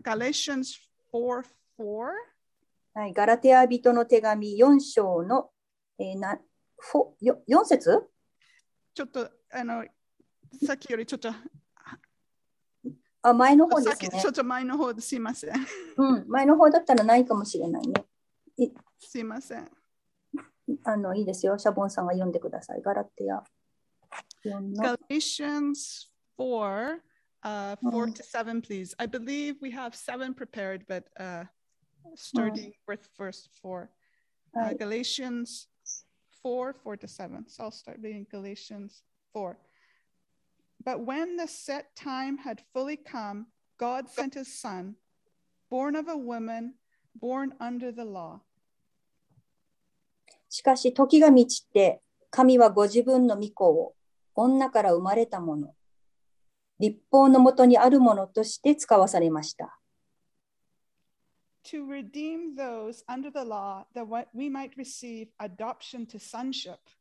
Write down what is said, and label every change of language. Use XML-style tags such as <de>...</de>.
<en>Galatians 4:4?</en> <ja>はい、ガラテア人の手紙4章の、4節？ちょっとさっきよりちょっと前の方ですね。ちょっと前の方ですいません。うん、前の方だったらないかもしれないね。すいません。いいですよ。シャボンさんが読んでください。ガラテア。</ja> <en>Galatians 4, 4 to 7, please. I believe we have 7 prepared, but starting with verse 4. Galatians 4, 4 to 7. So I'll start reading Galatians 4. But when the set time had fully come, God sent his son, born of a woman, born under the law.</en> <ja>しかし時が満ちて、神はご自分の御子を、女から生まれたもの、律法のもとにあるものとして使わされました。</ja> <en>To redeem those under the law, that we might receive adoption to sonship.</en>